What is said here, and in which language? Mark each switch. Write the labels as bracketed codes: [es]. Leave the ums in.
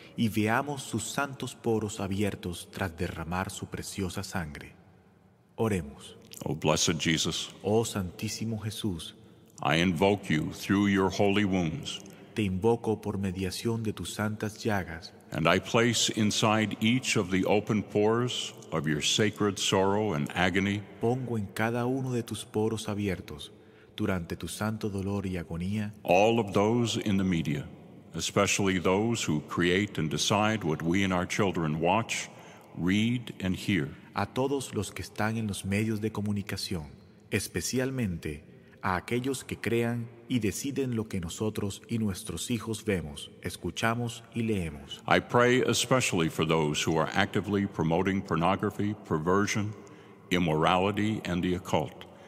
[es] Y veamos sus santos poros abiertos tras derramar su preciosa sangre. Oremos. [en] Oh blessed Jesus. [es] Oh santísimo Jesús. [en] I invoke you through your holy wounds. [es] Te invoco por mediación de tus santas llagas. [en] And I place inside each of the open pores of your sacred sorrow and agony. [es] Pongo en cada uno de tus poros abiertos durante tu santo dolor y agonía. [en] All of those in the media especially those who create and decide what we and our children watch, read and hear. [es] A todos los que están en los medios de comunicación, especialmente a aquellos que crean y deciden lo que nosotros y nuestros hijos vemos, I [en] pray especially for those who are actively promoting pornography, perversion, immorality and the occult.